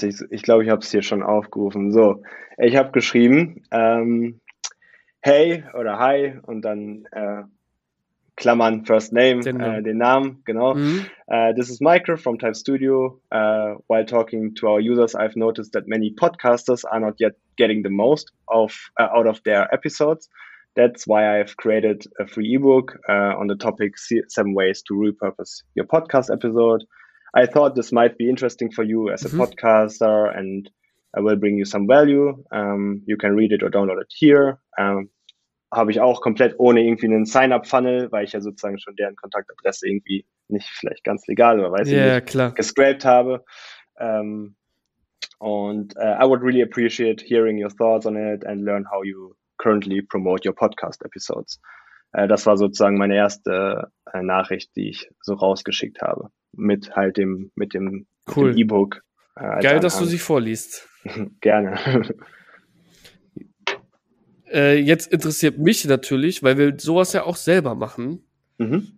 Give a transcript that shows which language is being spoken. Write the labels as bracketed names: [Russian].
[German] Ich glaube, ich habe es hier schon aufgerufen. So, ich habe geschrieben, hey oder hi und dann Klammern, First Name, den Namen, genau. [English] This is Michael from Type Studio. While talking to our users, I've noticed that many podcasters are not yet getting the most out of their episodes. That's why I've created a free ebook on the topic 7 ways to repurpose your podcast episode. I thought this might be interesting for you as a podcaster and I will bring you some value. You can read it or download it here. [German] Habe ich auch komplett ohne irgendwie einen Sign-up-Funnel, weil ich ja sozusagen schon deren Kontaktadresse irgendwie nicht vielleicht ganz legal oder weiß ich nicht, klar, gescraped habe. [English] I would really appreciate hearing your thoughts on it and learn how you currently promote your podcast episodes. [German] Das war sozusagen meine erste Nachricht, die ich so rausgeschickt habe, mit halt dem E-Book. Geil, dass du sie vorliest. Gerne. Jetzt interessiert mich natürlich, weil wir sowas ja auch selber machen. Mhm.